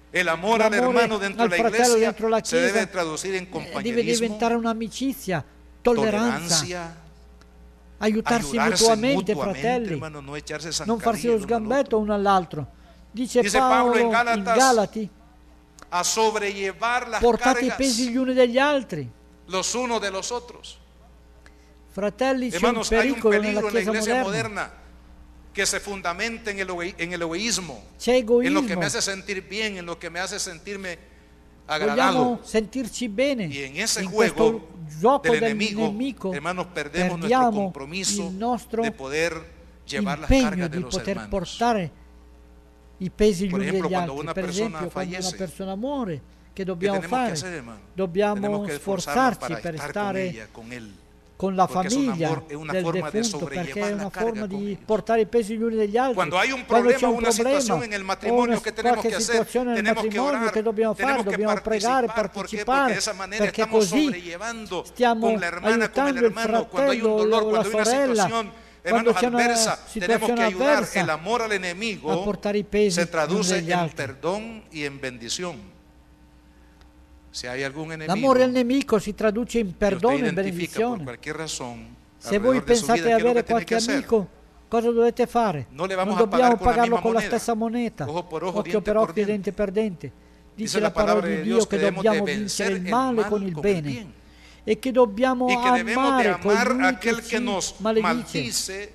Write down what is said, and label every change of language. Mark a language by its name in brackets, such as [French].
[Spanish] El amor al hermano dentro de la iglesia se debe traducir en compañerismo, debe [Italian] diventare una amicizia, tolleranza, aiutarsi mutuamente, fratelli, non farsi lo sgambetto uno all'altro. Dice Paolo in Galati, [Spanish] a sobrellevar las [Italian] portate i pesi gli uni degli altri, [Spanish] los uno de los otros. [Italian] Fratelli, [Spanish] hermanos, [Italian] c'è un pericolo nella chiesa [Spanish] moderna que se fundamenta en el egoísmo, egoísmo, en lo que me hace sentir bien, en lo que me hace sentirme agradado. [Italian] Sentirci bene. [Spanish] Y en ese juego del enemigo, hermanos, perdemos nuestro compromiso [Italian] nostro [Spanish] de poder llevar las cargas de los hermanos. [Italian] Portare i pesi gli uni degli altri. Per esempio, quando una persona muore, che dobbiamo fare? [Spanish] Que hacer, [Italian] dobbiamo [Spanish] que [Italian] sforzarci per stare [Spanish] con él. [Italian] Con la famiglia del defunto, perché è una forma di portare i pesi gli uni degli altri. [Spanish] Quando hay un problema, [Italian] una situazione nel matrimonio, che [Spanish] tenemos que hacer? Tenemos que orar, [Italian] che dobbiamo fare? Dobbiamo pregare, partecipare, perché così stiamo aiutando il fratello o la sorella. Quando c'è una situazione avversa, [Spanish] el amor al enemigo [Italian] a portare i pesi [Spanish] se traduce in perdón y en bendición. Se hay algún enemigo, [Italian] l'amore al nemico si traduce in perdono e benedizione. [Spanish] Por razón, [Italian] se voi pensate di avere qualche amico, cosa dovete fare? [Spanish] Non le vamos [Italian] non dobbiamo a pagare pagarlo con la stessa moneta, [Spanish] ojo por ojo, [Italian] occhio per occhio, dente per dente. Dice la parola di Dio che dobbiamo vincere il male con il bene e che dobbiamo amare colui che ci maledice